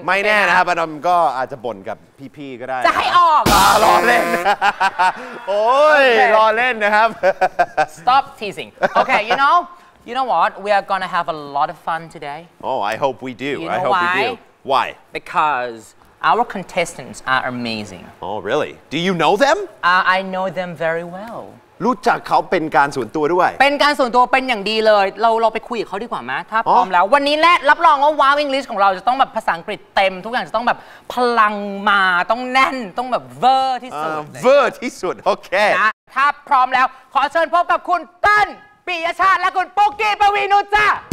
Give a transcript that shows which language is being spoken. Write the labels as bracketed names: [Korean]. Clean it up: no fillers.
[Thai] ไม่แน่นะครับอดัมก็อาจจะบ่นกับพี่ๆก็ได้ จะให้ออก รอเล่นโอ้ยรอเล่นนะครับ [English] Stop teasing Okay you know what we are gonna have a lot of fun today Oh I hope we do I hope we do Why Because our contestants are amazing Oh really Do you know them I know them very well [Thai] รู้จักเขาเป็นการส่วนตัวด้วย เป็นการส่วนตัวเป็นอย่างดีเลยเราไปคุยกับเขาดีกว่ามั้ยถ้าพร้อมแล้ววันนี้และรับรองว่าวาวอังกฤษของเราจะต้องแบบภาษาอังกฤษเต็มทุกอย่างจะต้องแบบพลังมาต้องแน่นต้องแบบเวอร์ที่สุด เวอร์ที่สุดโอเค นะถ้าพร้อมแล้วขอเชิญพบกับคุณเติ้ลปิยชาติและคุณปุ๊กกี้ปวีณุชจ้า